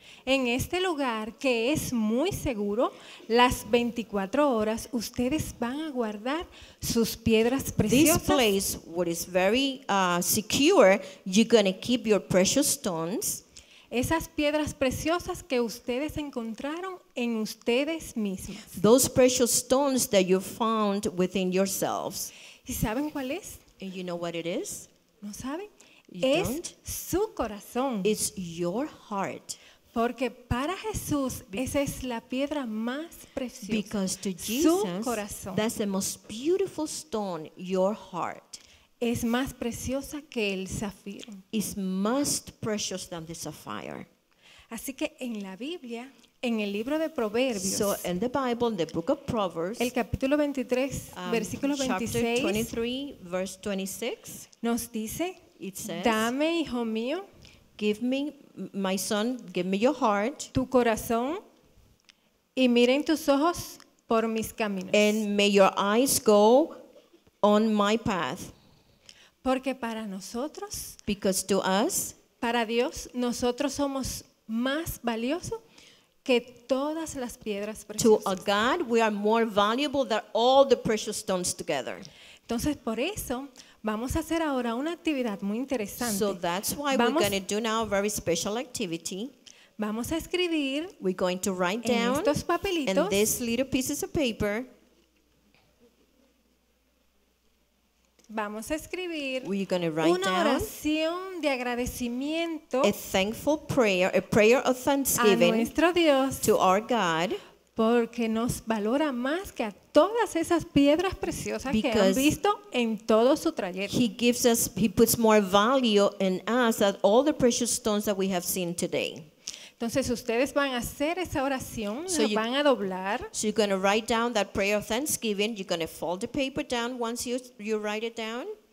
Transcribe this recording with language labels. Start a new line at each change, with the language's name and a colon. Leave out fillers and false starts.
Spanish: En este lugar que es muy seguro, las 24 horas ustedes van a guardar sus piedras preciosas.
English: This place where is very secure, you're going to keep your precious stones.
Spanish: Esas piedras preciosas que ustedes encontraron en ustedes mismos.
English: Those precious stones that you found within yourselves.
Spanish: ¿Y saben cuál es?
English: And you know what it is?
Spanish: ¿No saben?
English: You
Spanish: es
English: don't?
Spanish: Su corazón.
English: It's your heart.
Spanish: Porque para Jesús esa es la piedra más preciosa.
English: Because to Jesus,
Spanish: su corazón.
English: That's the most beautiful stone, your heart.
Spanish: Es más preciosa que el zafiro.
English: Is most precious than the sapphire.
Spanish: Así que en la Biblia, en el libro de Proverbios,
English: so in the Bible, in the book of Proverbs,
Spanish: el capítulo 23, versículo 26, 26, nos dice,
English: it says,
Spanish: dame, hijo mío,
English: give me, my son, give me your heart,
Spanish: tu corazón, y miren tus ojos por mis caminos.
English: And may your eyes go on my path.
Spanish: Porque para nosotros,
English: because to us,
Spanish: para Dios, nosotros somos más valiosos que todas las piedras preciosas.
English: To a God, we are more valuable than all the precious stones together.
Spanish: Entonces, por eso, vamos a hacer ahora una actividad muy interesante.
English: So that's why we're going to do now a very special activity.
Spanish: Vamos a escribir,
English: we're going to write down
Spanish: en estos papelitos,
English: in these little pieces of paper.
Spanish: Vamos a escribir una oración de agradecimiento,
English: a thankful prayer, a prayer of thanksgiving,
Spanish: a nuestro Dios,
English: to our God,
Spanish: porque nos valora más que a todas esas piedras preciosas que han visto en todo su trayecto.
English: He gives us, he puts more value in us than all the precious stones that we have seen today.
Spanish: Entonces ustedes van a hacer esa oración, so la van a doblar.
English: So you're going to write down that prayer of thanksgiving. You're going to fold the paper down once you write it down.